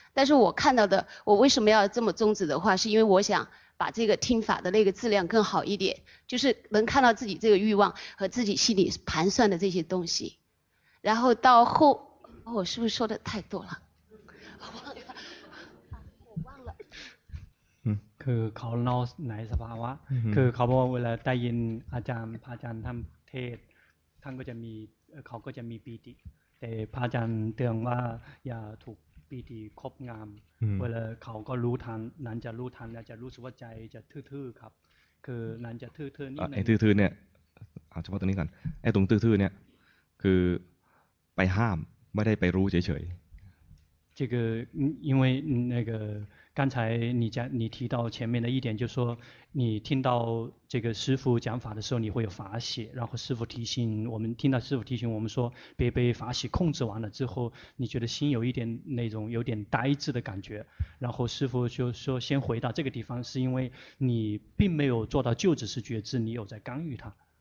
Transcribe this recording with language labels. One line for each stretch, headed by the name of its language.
Chinese: 但是我看到的，我为什么要这么终止的话，是因为我想把这个听法的那个质量更好一点，就是能看到自己这个欲望和自己心里盘算的这些东西。然后到后我是不是说的太多了，
Thai: คือเขาเล่าในสภาวะคือเขาบอกเวลาได้ยินอาจารย์พระอาจารย์ท่านเทศท่านก็จะมีเขาก็จะมีปีติแต่พระอาจารย์เตือนว่าอย่าถูกปีติครอบงำเวลาเขาก็รู้ทันนั้นจะรู้ทันแล้วจะรู้สึกว่าใจจะทื่อๆครับคือนั้นจะทื่อๆนี่ไอ้ทื่อๆเนี่ยเอาเฉพาะตรงนี้ก่อนไอ้ตรงทื่อๆเนี่ยคือไปห้ามไม่ได้ไปรู้เฉย
Chinese: ๆ这个因为那个刚才你提到前面的一点，就是说你听到这个师父讲法的时候，你会有法喜，然后师父提醒我们，听到师父提醒我们说别被法喜控制完了之后，你觉得心有一点那种有点呆滞的感觉，然后师父就说先回到这个地方，是因为你并没有做到就只是觉知，你有在干预它。